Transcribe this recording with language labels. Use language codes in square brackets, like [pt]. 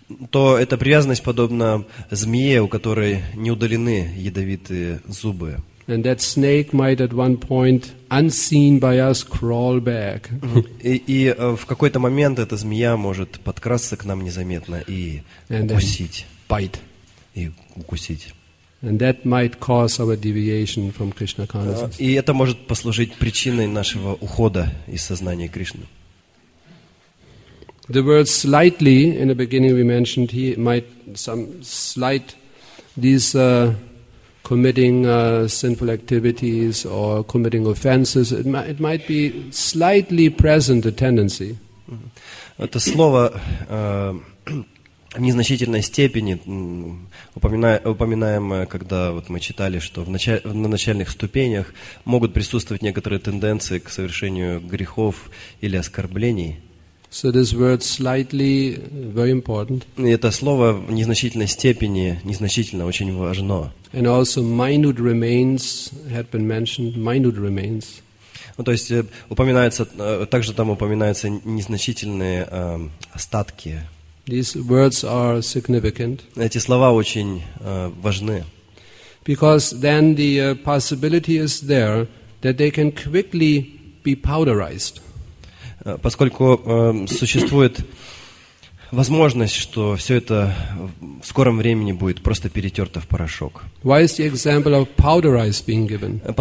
[ru] то эта привязанность подобна змее, у которой не удалены ядовитые зубы. [en] And that snake might at one point, unseen by us, crawl back. [ru] И в какой-то момент эта змея может подкрасться к нам незаметно и укусить. [en] Bite. [ru] И укусить. [en] And that might cause our deviation from Krishna consciousness. [ru] И это может послужить причиной нашего ухода из сознания Кришны. [en] The word slightly in the beginning we mentioned he might some slight these committing sinful activities or committing offenses it might be slightly present a tendency. [ru] Это слово в незначительной степени упоминаемое, когда вот мы читали, что на начальных ступенях могут присутствовать некоторые тенденции к совершению грехов или оскорблений. [en] So this word slightly very important. [ru] И это слово в незначительной степени, незначительно, очень важно. [en] And also minute remains had been mentioned, minute remains. [ru] Ну, то есть упоминается, также там упоминаются незначительные остатки. [en] These words are significant. [ru] Эти слова очень важны. [en] Because then the possibility is there that they can quickly be powderized. [ru] Поскольку существует возможность, что все это в скором времени будет просто перетерто в порошок. [en] Why is the example of powderized being given?